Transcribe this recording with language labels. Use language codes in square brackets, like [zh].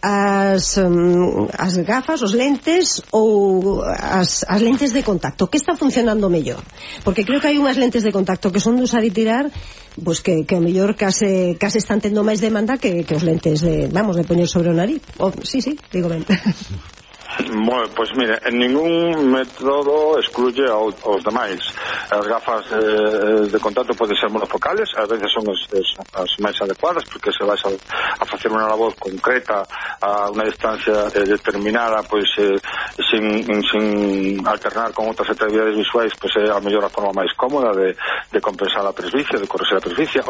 [gl] As gafas, os lentes ou as lentes de contacto? Que está funcionando mellor? Porque creo que hai unhas lentes de contacto que son de usar e tirar, pues que mellor case están tendo máis demanda que os lentes de poñer sobre o nariz. Sí, digo ben. [es] Bueno, pues mire, en ningún método excluye [gl] aos demais. As gafas de contacto poden ser monofocales, a veces son as máis adecuadas, porque se vais a facer unha labor concreta a unha distancia determinada, pois sin alternar con outras actividades visuais, pois é a mellor forma máis cómoda de compensar a presbicia, de corregir a presbicia.